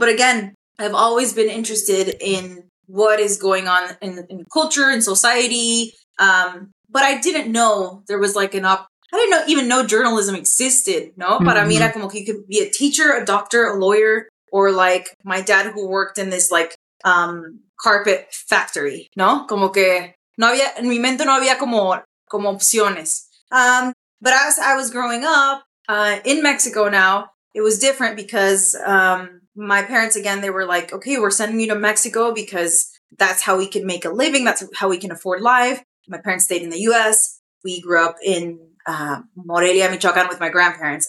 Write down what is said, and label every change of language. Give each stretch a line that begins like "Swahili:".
English: But again, I've always been interested in what is going on in culture and society. But I didn't know there was like I didn't know even know journalism existed.
Spanish: No, para mí era como que
English: you could be a teacher, a doctor, a lawyer, or like my dad who worked in this like, carpet factory.
Spanish: No, como que no había, en mi mente no había como opciones.
English: But as I was growing up in Mexico now, it was different because my parents, again, they were like, okay, we're sending you to Mexico because that's how we can make a living. That's how we can afford life. My parents stayed in the U.S. We grew up in Morelia, Michoacán with my grandparents.